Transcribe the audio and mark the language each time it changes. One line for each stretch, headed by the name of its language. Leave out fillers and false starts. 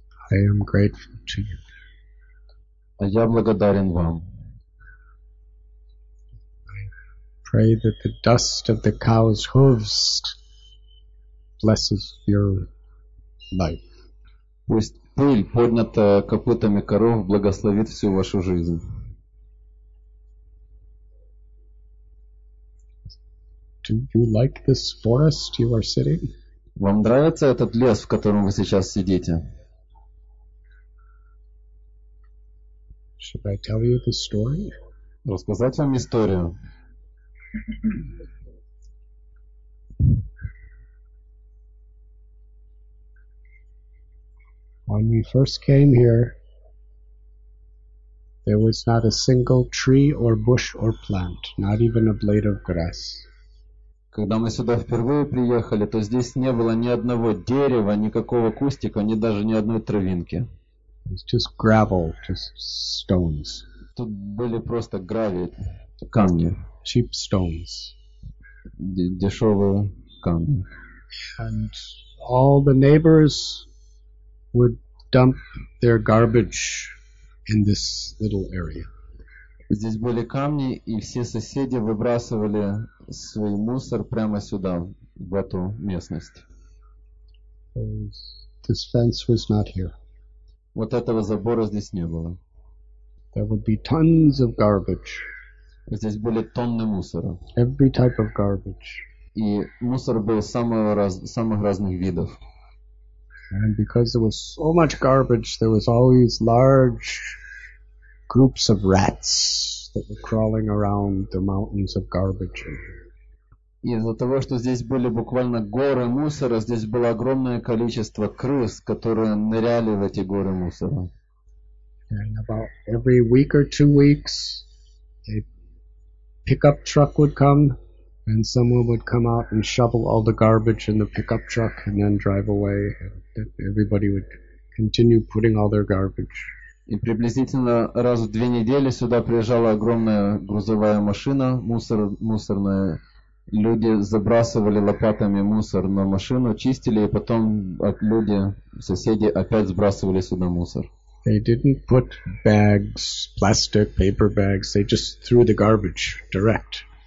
English: I am grateful to you.
Russian: Я благодарен вам.
English: Pray that the dust of the cow's hooves blesses your life.
Russian: Пусть пыль, поднятая копытами коров, благословит всю вашу жизнь.
English: Do you like this forest you are sitting?
Russian: Вам нравится этот лес, в котором вы сейчас сидите?
English: Should I tell you the story?
Russian: Рассказать вам историю?
English: When we first came here, there was not a single tree or bush or plant, not even a blade of grass.
Russian: Когда мы сюда впервые приехали, то здесь не было ни одного дерева, никакого кустика, ни даже ни одной травинки.
English: It's just gravel, just stones.
Russian: Тут были просто гравий, камни.
English: Cheap stones.
Russian: Дешевые камни.
English: And all the neighbors would dump their garbage in this little area.
Russian: Здесь были камни, и все соседи выбрасывали свой мусор прямо сюда, в эту местность.
English: This fence was not here.
Russian: Вот этого забора здесь не было.
English: There would be tons of garbage.
Russian: Здесь были тонны мусора.
English: Every type of garbage.
Russian: И мусор был самых разных видов.
English: And because there was so much garbage, there was always large groups of rats that were crawling around the mountains of garbage.
Russian: Из-за того, что здесь были буквально горы мусора, здесь было огромное количество крыс, которые ныряли в эти горы мусора.
English: And about every week or two weeks, a pickup truck would come, and someone would come out and shovel all the garbage in the pickup truck and then drive away. Everybody would continue putting all their garbage.
Russian: И приблизительно раз в две недели сюда приезжала огромная грузовая машина, мусорная. Люди забрасывали лопатами мусор на машину, чистили, и потом люди, соседи, опять сбрасывали сюда мусор.
English: They didn't put bags, plastic, paper bags. They just threw the garbage direct.